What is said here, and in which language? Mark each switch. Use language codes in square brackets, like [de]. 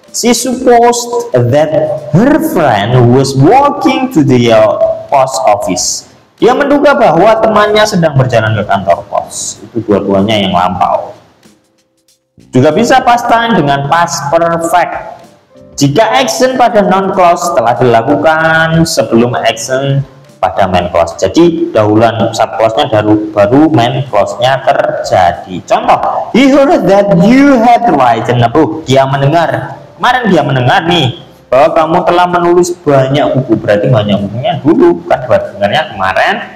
[en] She supposed that her friend was walking to the post office. [id] Dia menduga bahwa temannya sedang berjalan ke kantor pos. Itu dua-duanya yang lampau. Juga bisa past time dengan past perfect. Jika action pada non clause telah dilakukan sebelum action pada main clause. Jadi dahuluan sub clause-nya baru main clause-nya terjadi. Contoh, [en] he heard that you had written a book. [id] Dia mendengar. Kemarin dia mendengar nih bahwa kamu telah menulis banyak buku. Berarti banyak bukunya dulu, kan dengarnya kemarin.